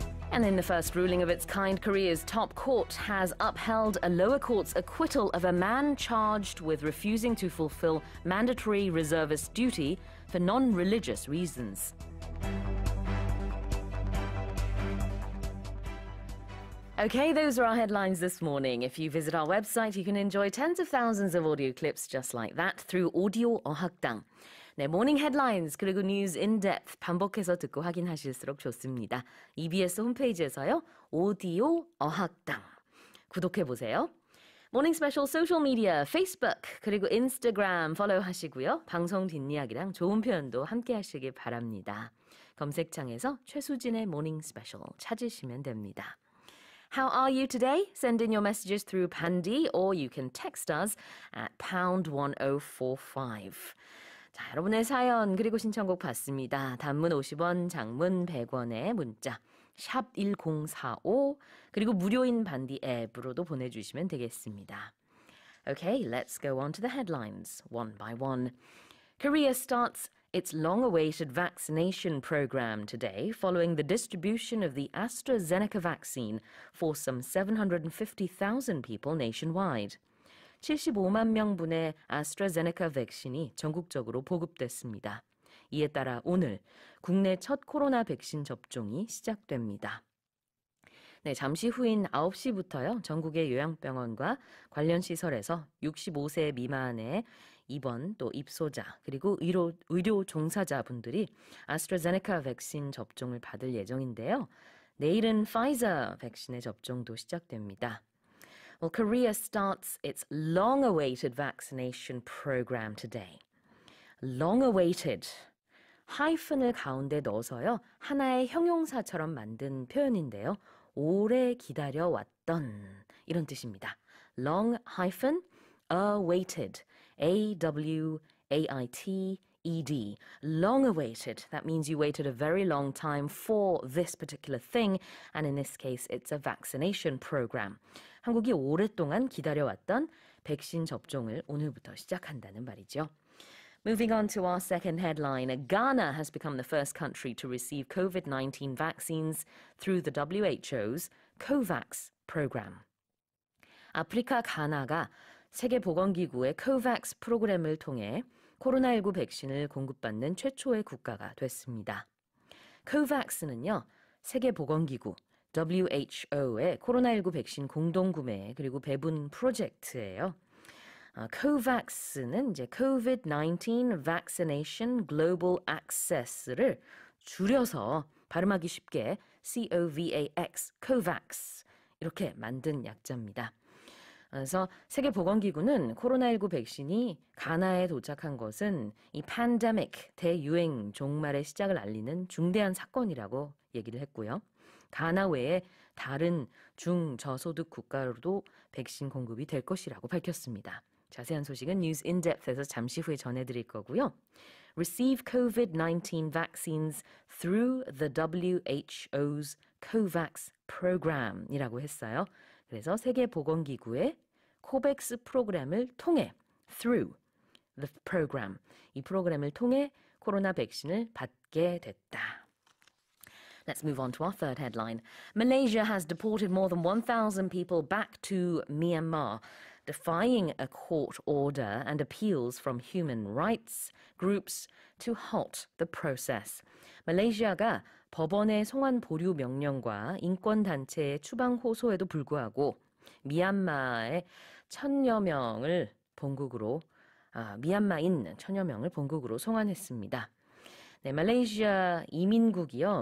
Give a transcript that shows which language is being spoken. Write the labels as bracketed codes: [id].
[en] And in the first ruling of its kind, Korea's top court has upheld a lower court's acquittal of a man charged with refusing to fulfill mandatory reservist duty for non-religious reasons. Okay, those are our headlines this morning. If you visit our website, you can enjoy tens of thousands of audio clips just like that through audio or 학당. [ko] 네, [en] morning headlines, [ko] 그리고 [en] news in depth [ko] 반복해서 듣고 확인하실수록 좋습니다. EBS 홈페이지에서요, 오디오 어학당 구독해보세요. Morning special social media, Facebook, 그리고 Instagram 팔로우하시고요. 방송 뒷이야기랑 좋은 표현도 함께하시길 바랍니다. 검색창에서 최수진의 morning special 찾으시면 됩니다. [en] How are you today? Send in your messages through Pandy or you can text us at #1045. [ko] 자, 여러분의 사연 그리고 신청곡 받습니다. 단문 50원, 장문 100원의 문자 샵 1045 그리고 무료인 반디 앱으로도 보내주시면 되겠습니다. [en] Okay, let's go on to the headlines one by one. Korea starts its long-awaited vaccination program today following the distribution of the AstraZeneca vaccine for some 750,000 people nationwide. [ko] 75만 명분의 아스트라제네카 백신이 전국적으로 보급됐습니다. 이에 따라 오늘 국내 첫 코로나 백신 접종이 시작됩니다. 네, 잠시 후인 9시부터요. 전국의 요양병원과 관련 시설에서 65세 미만의 입원 또 입소자 그리고 의료 종사자분들이 아스트라제네카 백신 접종을 받을 예정인데요. 내일은 파이자 백신의 접종도 시작됩니다. [en] Well, Korea starts its long-awaited vaccination program today. [ko] Long-awaited. Hyphen을 가운데 넣어서요. 하나의 형용사처럼 만든 표현인데요. 오래 기다려왔던 이런 뜻입니다. [en] Long hyphen, awaited. A-W-A-I-T-E-D. Long-awaited. That means you waited a very long time for this particular thing. And in this case, it's a vaccination program. [ko] 한국이 오랫동안 기다려왔던 백신 접종을 오늘부터 시작한다는 말이죠. [en] Moving on to our second headline, Ghana has become the first country to receive COVID-19 vaccines through the WHO's COVAX program. [ko] 아프리카 가나가 세계보건기구의 COVAX 프로그램을 통해 코로나19 백신을 공급받는 최초의 국가가 됐습니다. COVAX는요, 세계보건기구, WHO의 코로나19 백신 공동구매 그리고 배분 프로젝트예요. COVAX는 이제 COVID-19 Vaccination Global Access를 줄여서 발음하기 쉽게 COVAX, COVAX 이렇게 만든 약자입니다. 그래서 세계보건기구는 코로나19 백신이 가나에 도착한 것은 이 팬데믹, 대유행 종말의 시작을 알리는 중대한 사건이라고 얘기를 했고요. 가나 외에 다른 중저소득 국가로도 백신 공급이 될 것이라고 밝혔습니다. 자세한 소식은 News in Depth에서 잠시 후에 전해드릴 거고요. [en] Receive COVID-19 vaccines through the WHO's COVAX program [ko] 이라고 했어요. 그래서 세계보건기구의 COVAX 프로그램을 통해 [en] through the program [ko] 이 프로그램을 통해 코로나 백신을 받게 됐다. [en] Let's move on to our third headline. Malaysia has deported more than 1,000 people back to Myanmar, defying a court order and appeals from human rights groups to halt the process. [ko] 말레이시아가 법원의 송환 보류 명령과 인권단체의 추방 호소에도 불구하고 미얀마의 천여 명을 본국으로 미얀마인 천여 명을 본국으로 송환했습니다. 네, 말레이시아 이민국이요.